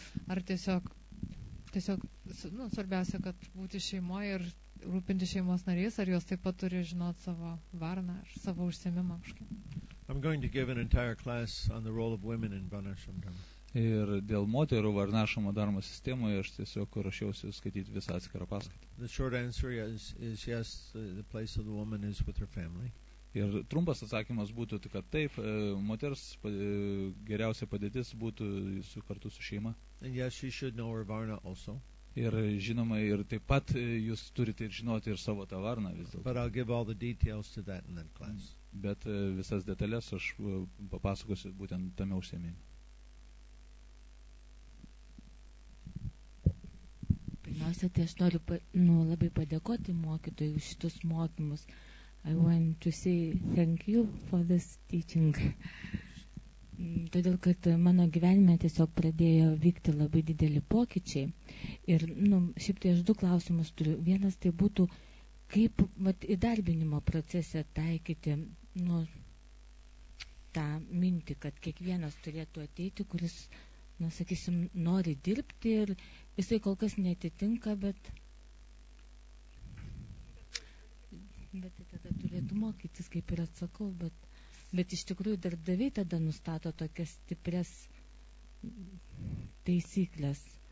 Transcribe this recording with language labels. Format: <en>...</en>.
<lt>Ar tiesiog nu, svarbiausia, kad būti šeimoje ir rūpinti šeimos narys, ar jos taip pat turi žinot savo varną ar savo užsiemimą kažkaip.</lt> <en>I'm going to give an entire class on the role of women in Varnashram Dharma.</en> <lt>Ir dėl moterų Varnashrama Dharma sistemoje aš tiesiog ruošiausi skaityti visą atskirą paskaitą.</lt> <en>The short answer is yes, the place of the woman is with her family. Ir trumpas atsakymas būtų, kad taip, moters geriausia padėtis būtų su kartu su šeima. And yes, she should know her varna also.</en> <lt>Ir žinoma, ir taip pat jūs turite ir žinoti ir savo tą varną vis dėlto.</lt> <en>But I'll give all the details to that in that class.</en> <lt>Bet visas detalės aš papasakosiu būtent tame užsiėmime. Pirmiausia, tai aš noriu labai padėkoti mokytojui už šitus mokymus.</lt> <en>I want to say thank you for this teaching.</en> <lt>Todėl, kad mano gyvenime tiesiog pradėjo vykti labai dideli pokyčiai. Ir šiaip tai aš du klausimus turiu. Vienas tai būtų, kaip įdarbinimo procese taikyti tą mintį, kad kiekvienas turėtų ateiti, kuris, sakysim, nori dirbti ir jisai kol kas netitinka, bet tai tada turėtų mokytis, kaip ir atsakau, bet bet iš tikrųjų darbdaviai tada nustato tokias stiprias taisyklės.</lt>